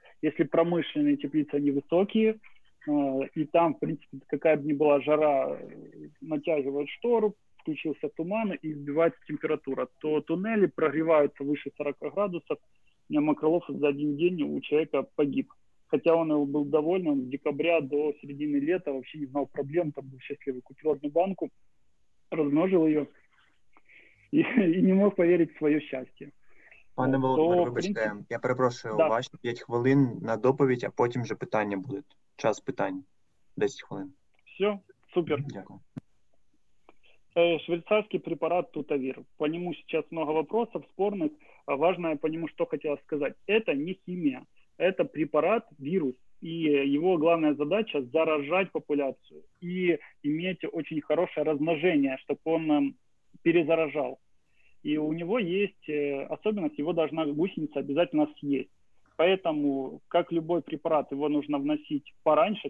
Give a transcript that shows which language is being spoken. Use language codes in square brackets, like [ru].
[ru] Если промышленные теплицы, они высокие, и там, в принципе, какая бы ни была жара, натягивают штору, включился туман и сбивается температура, то туннели прогреваются выше 40 градусов, у меня макролофус за один день у человека погиб. Хотя он был доволен, он с декабря до середины лета вообще не знал проблем, там был счастливый. Купил одну банку, размножил ее и не мог поверить в свое счастье. [uk] Пане Володимире, вибачте, принципі... я перепрошую, да. Ваші 5 хвилин на доповідь, а потім вже питання будуть. Час питань. 10 хвилин. Все, супер. Дякую. Швейцарський препарат Тутавір. По ньому зараз багато [ru] вопросов [uk] спорних. Важливо по ньому, що хотіла сказати. Це не хімія. [ru] Это препарат, вирус, и его главная задача – заражать популяцию и иметь очень хорошее размножение, чтобы он перезаражал. И у него есть особенность, его должна гусеница обязательно съесть. Поэтому, как любой препарат, его нужно вносить пораньше.